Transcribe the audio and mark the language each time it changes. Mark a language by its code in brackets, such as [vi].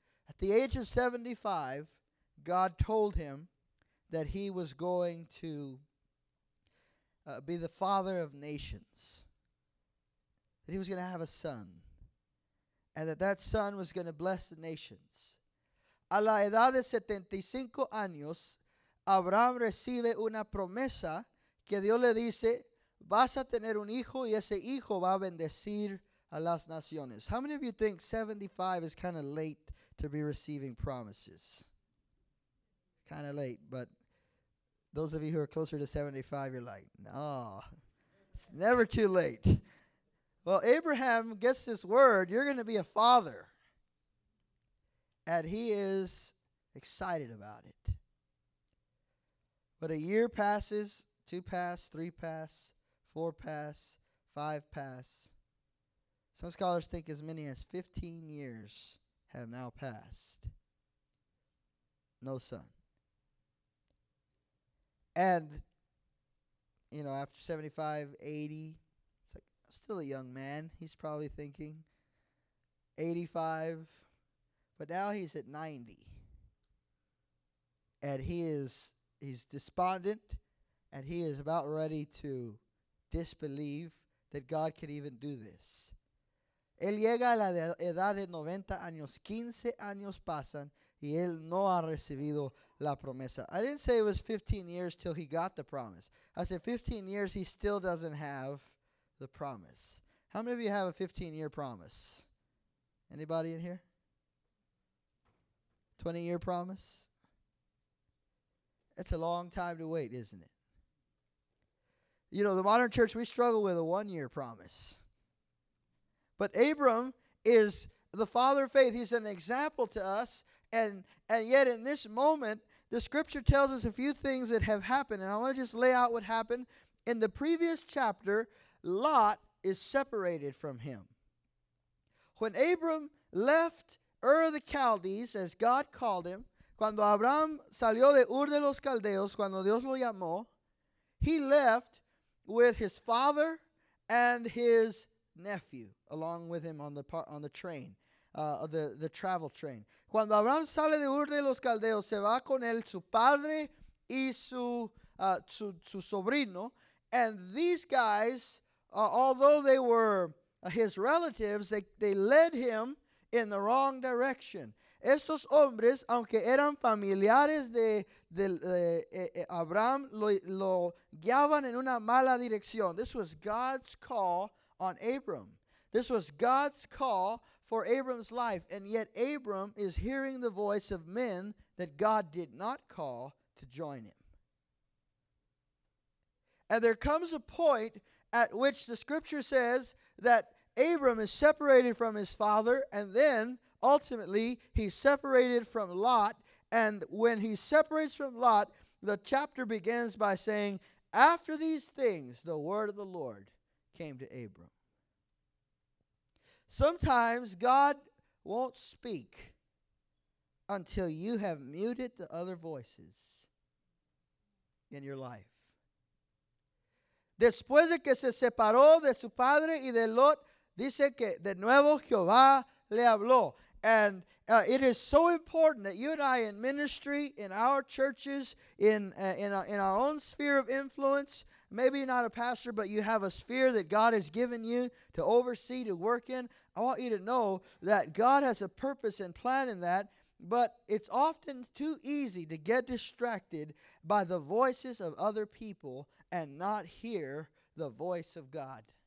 [en] At the age of 75, God told him that he was going to be the father of nations. That he was going to have a son. And that that son was going to bless the nations. [es] A la edad de 75 años, Abraham recibe una promesa que Dios le dice, vas a tener un hijo y ese hijo va a bendecir a las naciones. [en] How many of you think 75 is kind of late to be receiving promises? Kind of late, but those of you who are closer to 75, you're like, no, it's never too late. Well, Abraham gets this word, you're going to be a father. And he is excited about it. But a year passes. Two pass, three pass, four pass, five pass. Some scholars think as many as 15 years have now passed. No son. And, you know, after 75, 80, it's like, I'm still a young man, he's probably thinking. 85, but now he's at 90. And he's despondent. And he is about ready to disbelieve that God could even do this. [es] Él llega a la edad de 90 años, 15 años pasan, y él no ha recibido la promesa. [en] I didn't say it was 15 years till he got the promise. I said 15 years, he still doesn't have the promise. How many of you have a 15-year promise? Anybody in here? 20-year promise? It's a long time to wait, isn't it? You know, the modern church, we struggle with a one-year promise. But Abram is the father of faith. He's an example to us. And yet in this moment, the scripture tells us a few things that have happened. And I want to just lay out what happened. In the previous chapter, Lot is separated from him. When Abram left Ur of the Chaldees, as God called him, [es] cuando Abraham salió de Ur de los Caldeos, cuando Dios lo llamó, [en] he left with his father and his nephew along with him on the train. the travel train. [es] Cuando Abraham sale de Ur de los Caldeos, se va con él su padre y su sobrino. [en] And these guys, although they were his relatives, they led him in the wrong direction. [es] Estos hombres, aunque eran familiares de Abraham, lo guiaban en una mala dirección. [en] This was God's call on Abram. This was God's call for Abram's life. And yet Abram is hearing the voice of men that God did not call to join him. And there comes a point at which the scripture says that Abram is separated from his father, and then ultimately he's separated from Lot. And when he separates from Lot, the chapter begins by saying, after these things, the word of the Lord came to Abram. Sometimes God won't speak until you have muted the other voices in your life. [es] Después de que se separó de su padre y de Lot, dice que de nuevo Jehová le habló. [en] And it is so important that you and I in ministry, in our churches, in our own sphere of influence, maybe you're not a pastor, but you have a sphere that God has given you to oversee, to work in. I want you to know that God has a purpose and plan in that, but it's often too easy to get distracted by the voices of other people and not hear the voice of God.